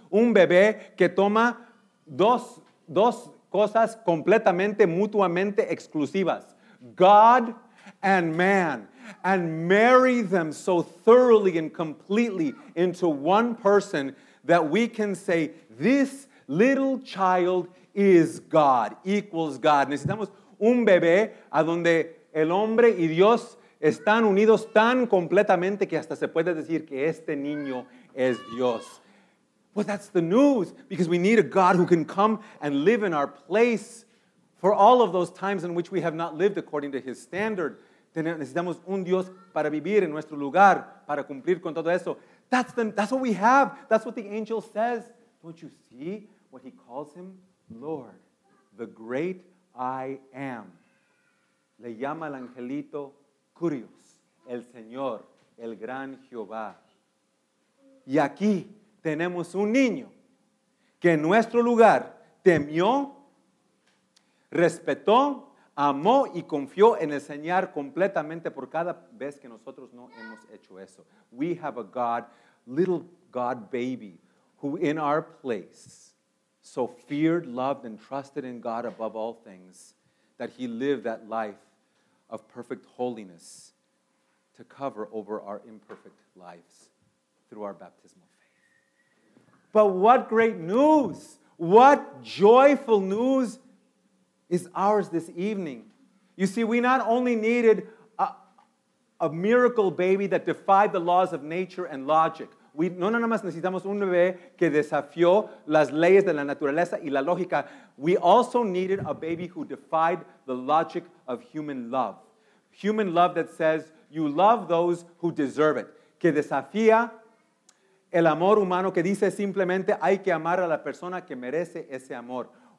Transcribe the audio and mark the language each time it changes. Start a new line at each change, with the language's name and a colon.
Spanish: Un bebé que toma dos cosas completamente mutuamente exclusivas.
English: God and man. And marry them so thoroughly and completely into one person that we can say, this little child is God, equals God.
Spanish: Necesitamos un bebé a donde el hombre y Dios están unidos tan completamente que hasta se puede decir que este niño es Dios.
English: Well, that's the news, because we need a God who can come and live in our place for all of those times in which we have not lived according to his standard.
Spanish: Necesitamos un Dios para vivir en nuestro lugar, para cumplir con todo eso.
English: That's what we have. That's what the angel says. Don't you see what he calls him? Lord, the great I am.
Spanish: Le llama al angelito Curios, el Señor, el gran Jehová. Y aquí tenemos un niño que en nuestro lugar temió, respetó, amó y confió en el Señor completamente por cada vez que nosotros no hemos hecho eso.
English: We have a God, little God baby, who in our place so feared, loved, and trusted in God above all things that he lived that life of perfect holiness to cover over our imperfect lives through our baptismal faith. But what great news! What joyful news is ours this evening. You see, we not only needed a miracle baby that defied the laws of nature and logic.
Spanish: No nada más necesitamos un bebé que desafió las leyes de la naturaleza y la lógica.
English: We also needed a baby who defied the logic of human love. Human love that says, you love those who deserve it.
Spanish: Que desafía el amor humano, que dice simplemente, hay que amar a la persona que merece ese amor.